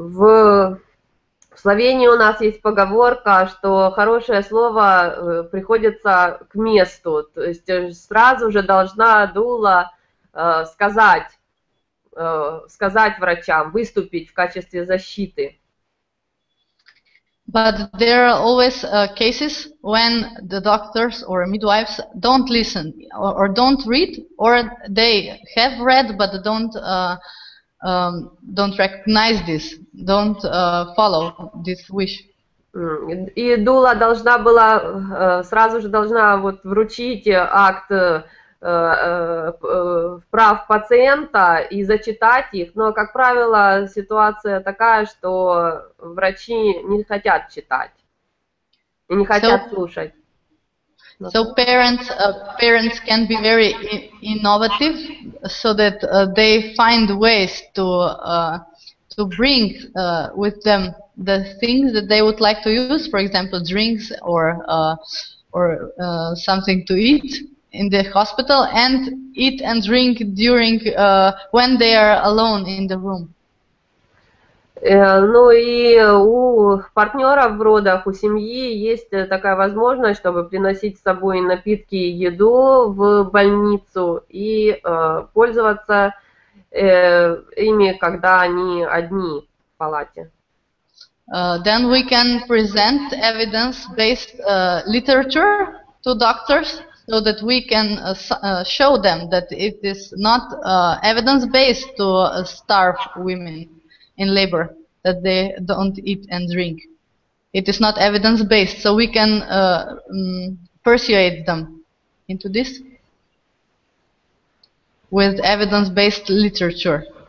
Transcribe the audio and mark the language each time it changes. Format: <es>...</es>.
<ru>В Словении у нас есть поговорка, что хорошее слово приходится к месту. То есть сразу же должна дула сказать врачам, выступить в качестве защиты.</ru> <en>But there are always cases when the doctors or midwives don't listen or don't read, or they have read but don't recognize this, don't follow this wish.</en> <ru>И дула должна была сразу же должна вот вручить акт прав пациента и зачитать их, но как правило ситуация такая, что врачи не хотят читать и не хотят слушать.</ru> <en>So parents can be very innovative, so that they find ways to bring with them the things that they would like to use, for example, drinks or something to eat in the hospital, and eat and drink during when they are alone in the room.</en> <ru>Ну и у партнеров в родах, у семьи есть такая возможность, чтобы приносить с собой напитки и еду в больницу и пользоваться ими, когда они одни в палате.</ru> <en>Then we can present evidence-based literature to doctors, so that we can show them that it is not evidence-based to starve women in labor. That they don't eat and drink. It is not evidence-based, so we can persuade them into this with evidence-based literature.</en>